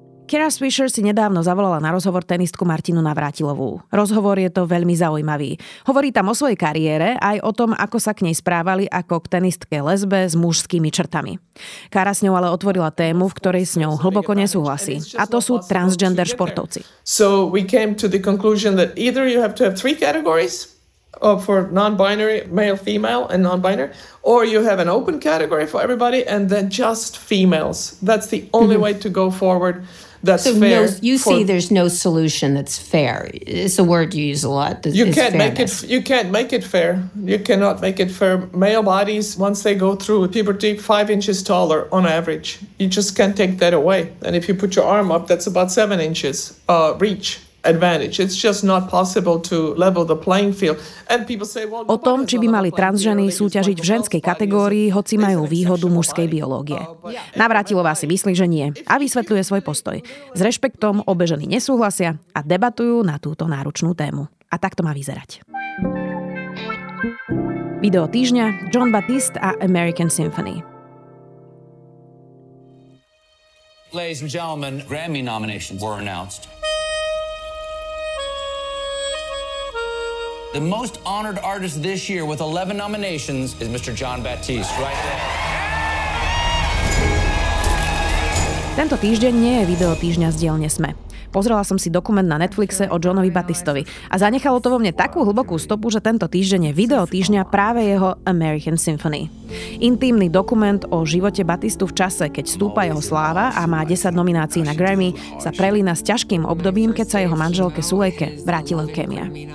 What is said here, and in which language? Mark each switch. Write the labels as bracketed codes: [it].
[sk] Kara Swisher si nedávno zavolala na rozhovor tenistku Martinu Navrátilovú. Rozhovor je to veľmi zaujímavý. Hovorí tam o svojej kariére, aj o tom, ako sa k nej správali ako k tenistke lesbe s mužskými črtami. Kara s ňou ale otvorila tému, v ktorej s ňou hlboko nesúhlasí. A to sú transgender športovci. [en] So we came to the conclusion that either you have to have three categories for non-binary, male, female and non-binary, or you have an open category for everybody and then just females. That's the only way to go forward. That's so fair. No, you see, there's no solution that's fair. It's a word you use a lot. You can't make it fair. You cannot make it fair. Male bodies, once they go through puberty, 5 inches taller on average. You just can't take that away. And if you put your arm up, that's about 7 inches reach. Advantage. It's just not possible to level the playing field. And people say, well, [sk] o tom, či by mali transženy súťažiť v ženskej kategórii, hoci majú výhodu mužskej biológie. Navrátilová si myslí, že nie, a vysvetľuje svoj postoj. S rešpektom obe ženy nesúhlasia a debatujú na túto náročnú tému. A tak to má vyzerať. Video týždňa, John Batiste a American Symphony. [en] Ladies and gentlemen, Grammy nominations were announced. The most honored artist this year with 11 nominations is Mr. John Batiste, right there. [sk] Tento týždeň nie je video týždňa z dielne SME. Pozrela som si dokument na Netflixe o Johnovi Batistovi a zanechalo to vo mne takú hlbokú stopu, že tento týždeň je video týždňa práve jeho American Symphony. Intímny dokument o živote Batistu v čase, keď stúpa jeho sláva a má 10 nominácií na Grammy, sa prelína s ťažkým obdobím, keď sa jeho manželke Sulejke vráti leukémia.